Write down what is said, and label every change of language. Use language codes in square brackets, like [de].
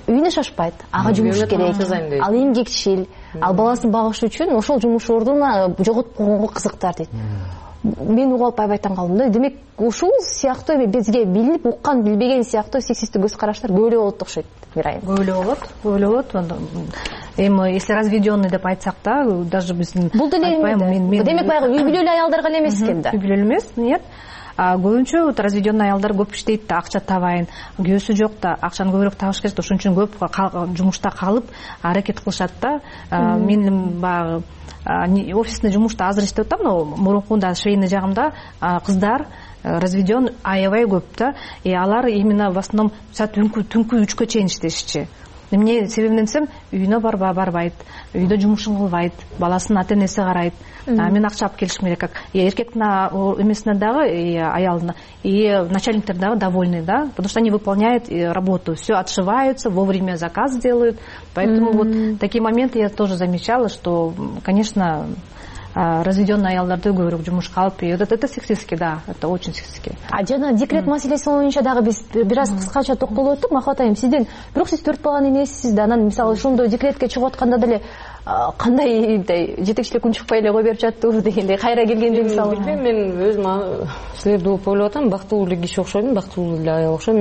[ky] Үйүнө шашпайт, ага жумуш керек. Ал эмгекчил, ал баласын багыш үчүн ошол жумуш ордуна жоготуп койгонго кызыктар дейт. Мен уга алып аябай таң калдым да. Демек ушул сыяктуу эми бизге билинип уккан билбеген сыяктуу сексисттүү көз караштар көбүрөөк болот окшойт мирайым. Көбүрөөк болот, көбүрөөк болот. Эми [ru] если разведенный [ky] деп айтсак да, [ru] даже [ky] биздин бул деле эмне? Демек баягы үй бүлөлүү аялдарга эле эмес экен да. Үй бүлөлүү эмес, нет. Көбүнчө разведенный аялдар көп иштейт да, акча табайын, күйөөсү жок да, акчаны көбүрөөк табыш керек да, ошон үчүн көп жумушта калып аракет кылышат да. Мен баягы офисный жумушта азыр иштеп атам, но мурункунда швейный жагымда кыздар разведен аябай көп да, [ru] и алар именно в основном [ky] түнкү үчкө чейин иштешчи. Эмне себебин десем, үйүнө барбайт, үйдө жумушун кылбайт, баласынын ата-энеси карайт. Мен акча алып келишим керек. Эркектин эмесине дагы, аялына, начальниктер дагы [ru] довольны, [ky] да? [ru] Потому что они выполняют работу, все отшиваются, вовремя заказ делают. Поэтому вот такие моменты я тоже замечала, что, конечно, разведённые [ky] аялдарды көбүрөөк жумушка алып, [ru] и это сексистский, да, это очень сексистский. [ky] А жана декрет маселеси боюнча дагы биз бир аз кыскача токтолуп өттүк, махабат айым, сиздин бирок сиз 4 баланын энесисиз да, анан мисалы ошондой декретке чыгып атканда деле кандай жетекчилик күн чыкпай эле кое берип жатты дегендей кайра келгенде мисалы. Мен өзүм силерди угуп ойлоп атам, бактылуу эле киши окшойм, бактылуу эле аял окшойм.